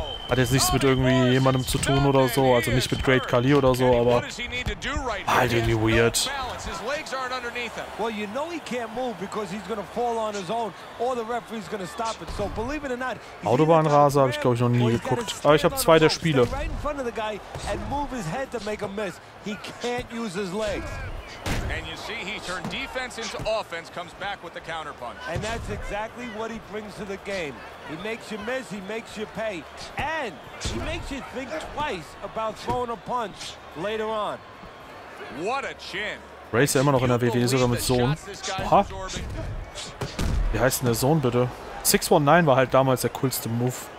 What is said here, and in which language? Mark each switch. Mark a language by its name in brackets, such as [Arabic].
[German] Hat jetzt nichts mit irgendwie jemandem zu tun oder so, also nicht mit Great Khali oder so, aber halt irgendwie weird. [English] His legs aren't underneath him. Well, you know he can't move because he's going to fall on his own or the referee's going to stop it. So believe it or not, [German] Autobahnraser habe ich glaube ich noch nie geguckt, aber ich habe zwei der Spiele. [English] Right in front of the guy and move his head to make a miss. He can't use his legs. And you see he turned defense into offense, comes back with the counterpunch. And that's exactly what he brings to the game. He makes you miss, he makes you pay, and he makes you think twice about throwing a punch later on. What a chin. [German] Ray ist ja immer noch in der WWE, sogar mit Sohn. Aha. Wie heißt denn der Sohn, bitte? 619 war halt damals der coolste Move.